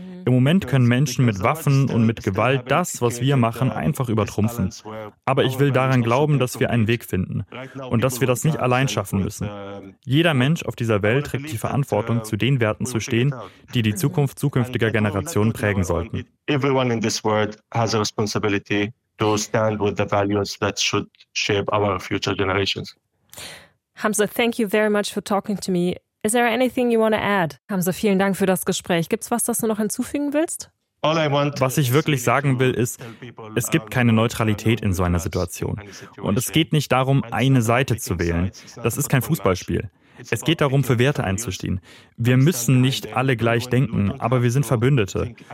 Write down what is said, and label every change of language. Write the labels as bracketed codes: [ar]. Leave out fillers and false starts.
[de] Im Moment können Menschen mit Waffen und mit Gewalt das, was wir machen, einfach übertrumpfen. Aber ich will daran glauben, dass wir einen Weg finden und dass wir das nicht allein schaffen müssen. Jeder Mensch auf dieser Welt trägt die Verantwortung, zu den Werten zu stehen, die die Zukunft zukünftiger Generationen prägen sollten. [en] Everyone in this world has a responsibility to stand with the values that should shape our future generations. Hamza, thank you very much for talking to me. Is there anything you want to add? [de] Hamza, vielen Dank für das Gespräch. Gibt's was, das du noch hinzufügen willst? Was ich wirklich sagen will, ist, es gibt keine Neutralität in so einer Situation. Und es geht nicht darum, eine Seite zu wählen. Das ist kein Fußballspiel. Es geht darum, für Werte einzustehen. Wir müssen nicht alle gleich denken, aber wir sind Verbündete.